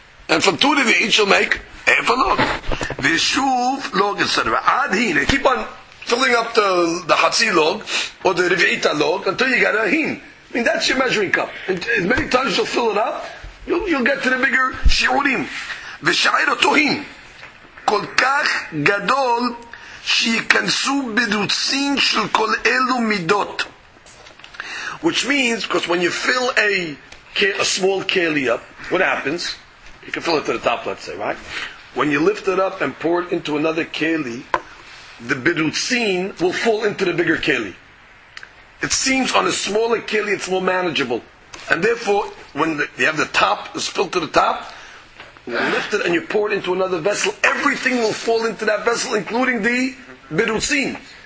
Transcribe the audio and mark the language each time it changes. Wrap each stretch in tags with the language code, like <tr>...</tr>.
<en>And from 2 revi'it she'll make half a log.</en> <he>V'shuv log, etc. Ad heen.</he> <en>They keep on filling up the hatsi log, or the revi'ita log, until you get a heen. I mean, that's your measuring cup. And as many times you'll fill it up, you'll get to the bigger shi'urim.</en> <he>V'sha'ir otu heen. כל כך גדול שיכנסו בדוצין של כל אלו מידות.</he> <en>Which means, because when you fill a small keli up, what happens? You can fill it to the top, let's say, right? When you lift it up and pour it into another keli, the bidutzin will fall into the bigger keli. It seems on a smaller keli, it's more manageable. And therefore, when you have the top, is filled to the top, you lift it and you pour it into another vessel, everything will fall into that vessel, including the bidutzin.</en>